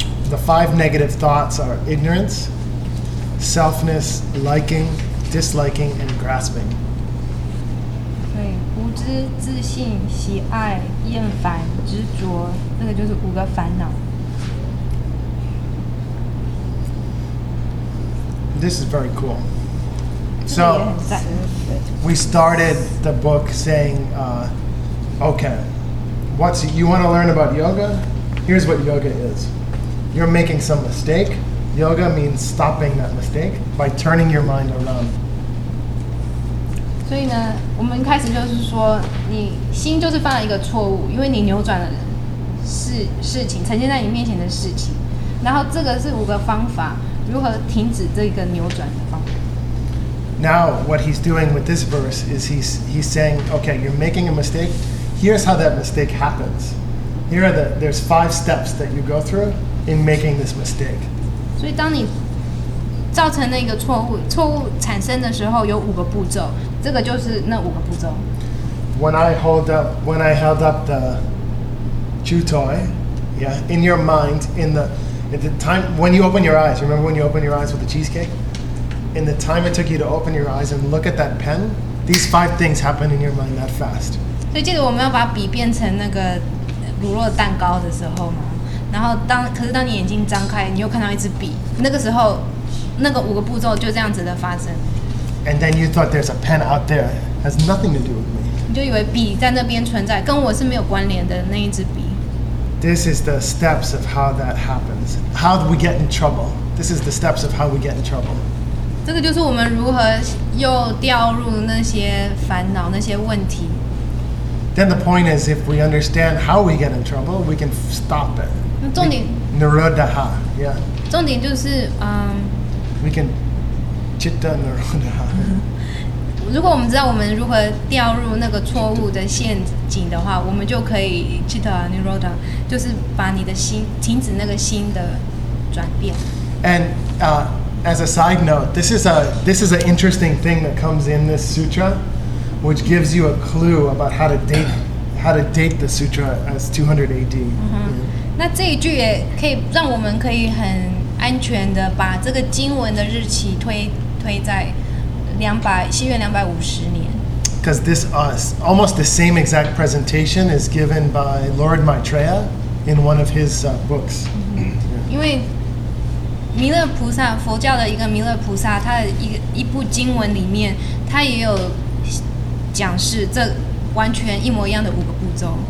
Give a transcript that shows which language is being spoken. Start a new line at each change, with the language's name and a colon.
English: The 5 negative thoughts are ignorance, selfness, liking, disliking and grasping.
Chinese: 对，无知、自信、喜爱、厌烦、执着，那个就是五个烦恼。
English: This is very cool. So, we started the book saying, okay, you want to learn about yoga? Here's what yoga is. You're making some mistake. Yoga means stopping that mistake by turning your mind around.
Chinese: 所以呢，我们开始就是说，你心就是犯了一个错误，因为你扭转了事情呈现在你面前的事情，然后这个是五个方法，如何停止这个扭转的方法。
English: Now what he's doing with this verse is he's saying, okay, you're making a mistake. Here's how that mistake happens. Here are there's five steps that you go through in making this mistake.
Chinese: 所以当你造成那个错误产生的时候，有五个步骤，这个就是那五个步骤。
English: When I held up the chew toy, yeah, in your mind, at the time when you open your eyes, remember when you open your eyes with the cheesecake? In the time it took you to open your eyes and look at that pen, these five things happen in your mind that fast.
Chinese: 所以记得我们要把笔变成那个乳酪蛋糕的时候嘛，然后可是当你眼睛张开，你又看到一支笔，那个时候。那个五个步骤就这样子的发生。
English: And then you thought there's a pen out there, has nothing to do with me.
Chinese: 你就以为笔在那边存在，跟我是没有关联的那一支笔。
English: This is the steps of how that happens. How do we get in trouble? This is the steps of how we get in trouble.
Chinese: 这个就是我们如何又掉入那些烦恼，那些问题。
English: Then the point is, if we understand how we get in trouble, we can stop it.
Chinese: 重点。
English: Nirodha, yeah.
Chinese: 重点就是
English: We can chitta nirodha.
Chinese: 如果我们知道我们如何掉入那个错误的陷阱的话，我们就可以 chitta nirodha， 就是把你的心停止那个心的转变。
English: And as a side note, this is an interesting thing that comes in this sutra, which gives you a clue about how to date the sutra as 200 AD.、
Chinese: Mm-hmm. 那这一句也可以让我们可以很。安全的把这个经文的日期推在西元250年。
English: Because this is almost the same exact presentation is given by Lord Maitreya in one of his books.、 Mm-hmm.
Chinese: 因为弥勒菩萨，佛教的一个弥勒菩萨，他的一部经文里面，他也有讲示这完全一模一样的五个步骤。